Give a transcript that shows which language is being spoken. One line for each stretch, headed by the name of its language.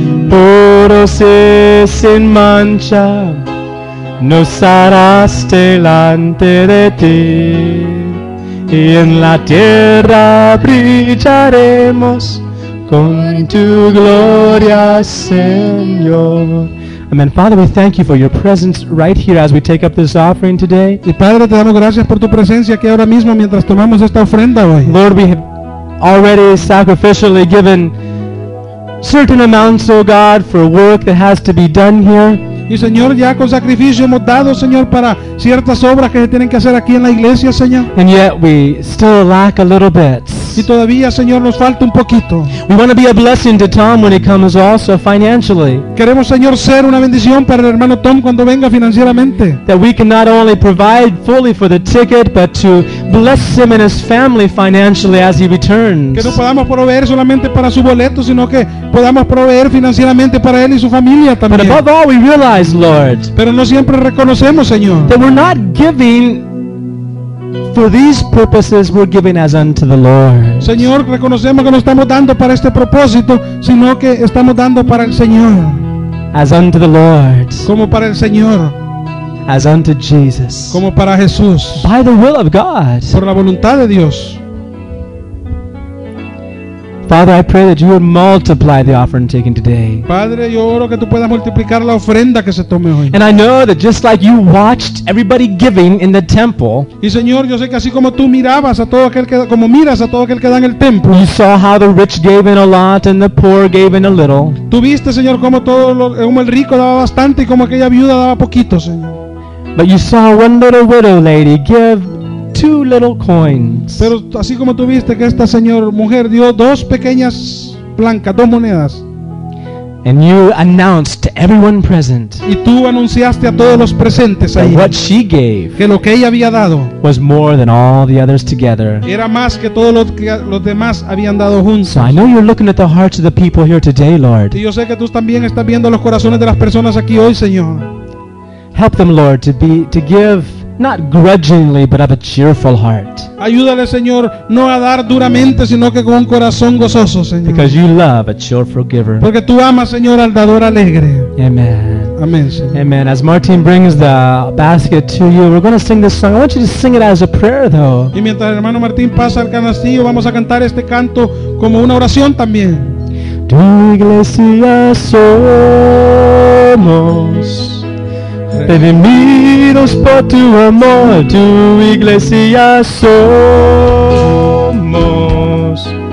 Spanish: Puros y sin mancha, nos harás delante de ti, y en la tierra brillaremos con tu gloria, Señor. Amen.
English: Father, we thank you for your presence right here as we take up this offering today.
Spanish: Y Padre, te damos gracias por tu presencia aquí ahora mismo mientras tomamos esta ofrenda hoy.
English: Lord, we have already sacrificially given certain amounts, O God, for work that has to be done here.
Spanish: Y Señor, ya con sacrificio hemos dado, Señor, para ciertas obras que se tienen que hacer aquí en la iglesia, Señor.
English: And yet we still lack a little bit.
Spanish: Y todavía, Señor, nos falta un poquito.
English: We want to be a blessing to Tom when he comes also financially.
Spanish: Queremos, Señor, ser una bendición para el hermano Tom cuando venga financieramente.
English: That we can not only provide fully for the ticket, but to bless him and his family financially as he returns.
Spanish: Que no podamos proveer solamente para su boleto, sino que podamos proveer financieramente para él y su familia también.
English: But above all, we realize, Lord,
Spanish: pero no siempre reconocemos, Señor,
English: that we're not giving for these purposes, we're giving as unto the Lord.
Spanish: Señor, reconocemos que no estamos dando para este propósito, sino que estamos dando para el Señor.
English: As unto the Lord.
Spanish: Como para el Señor.
English: As unto Jesus.
Spanish: Como para Jesús.
English: By the will of God.
Spanish: Por la voluntad de Dios.
English: Father, I pray that you would multiply the offering taken today.
Spanish: Padre, yo oro que tú puedas multiplicar la ofrenda que se tome hoy.
English: And I know that just like you watched everybody giving in the temple.
Spanish: Y Señor, yo sé que así como tú mirabas a todo aquel que como miras a todo aquel que da en el templo.
English: You saw how the rich gave in a lot and the poor gave in a little.
Spanish: Tú viste, Señor, como todo lo, como el rico daba bastante y como aquella viuda daba poquito, Señor.
English: But you saw one little widow lady give two little coins.
Spanish: Pero así como tú viste que esta señor mujer dio dos pequeñas blancas, dos monedas.
English: And you announced to everyone present.
Spanish: Y tú anunciaste a todos los presentes ahí.
English: What she gave.
Spanish: Que lo que ella había dado.
English: Was more than all the others together.
Spanish: Era más que todos los que los demás habían dado juntos.
English: So I know you're looking at the hearts of the people here today, Lord.
Spanish: Y yo sé que tú también estás viendo los corazones de las personas aquí hoy, Señor.
English: Help them, Lord, to give not grudgingly, but of a cheerful heart.
Spanish: Ayúdale, Señor, no a dar duramente, sino que con un corazón gozoso, Señor.
English: Because you love a cheerful giver.
Spanish: Porque tú amas, Señor, al dador alegre. Amen. Amen, Señor. Amen.
English: As Martin brings the basket to you, we're going to sing this song. I want you to sing it as a prayer, though.
Spanish: Y mientras el hermano Martín pasa al canastillo, vamos a cantar este canto como una oración también. Tu iglesia somos. Redimidos por tu amor, tu iglesia somos.